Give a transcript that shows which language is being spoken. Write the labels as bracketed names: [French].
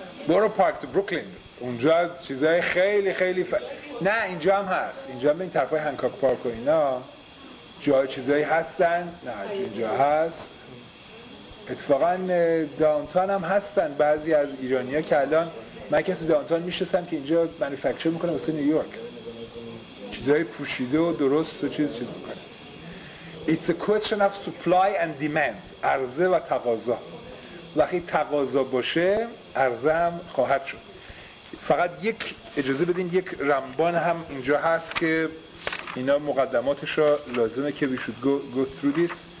[Persian] برو پارک تو بروکلین، اونجا چیزای خیلی خیلی نه اینجا هم هست، اینجا هم به این طرفای هنکاک پارک و اینا جای چیزایی هستن. نه اینجا هست اتفاقا، داونتان هم هستن بعضی از ایرانی ها که الان من کسی داونتان میشستم که اینجا منفکچر میکنه واسه نیویورک، چیزای پوشیده و درست و چیز میکنه. [English] It's a question of supply and demand، [Persian] عرضه و تقاضا. وقتی تقاضا باشه عرضه هم خواهد شد. فقط یک اجازه بدین، یک رمبان هم اینجا هست که اینا مقدماتش را لازمه که [English] we should go through this.